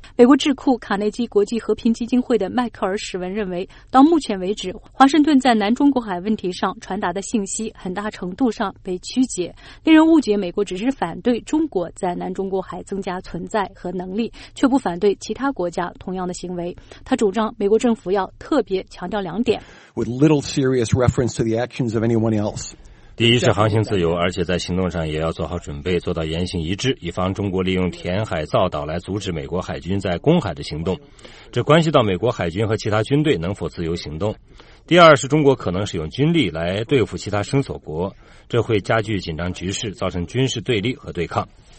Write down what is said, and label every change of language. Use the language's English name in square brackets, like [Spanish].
[Chinese] 美国智库卡内基国际和平基金会的迈克尔·史文认为，到目前为止，华盛顿在南中国海问题上传达的信息很大程度上被曲解，令人误解美国只是反对中国在南中国海增加存在和能力，却不反对其他国家同样的行为。他主张美国政府要特别强调两点。 [English] With little serious reference to the actions of anyone else. [Chinese] 第一是航行自由，而且在行动上也要做好准备，做到言行一致，以防中国利用填海造岛来阻止美国海军在公海的行动，这关系到美国海军和其他军队能否自由行动。第二是中国可能使用军力来对付其他生索国，这会加剧紧张局势，造成军事对立和对抗。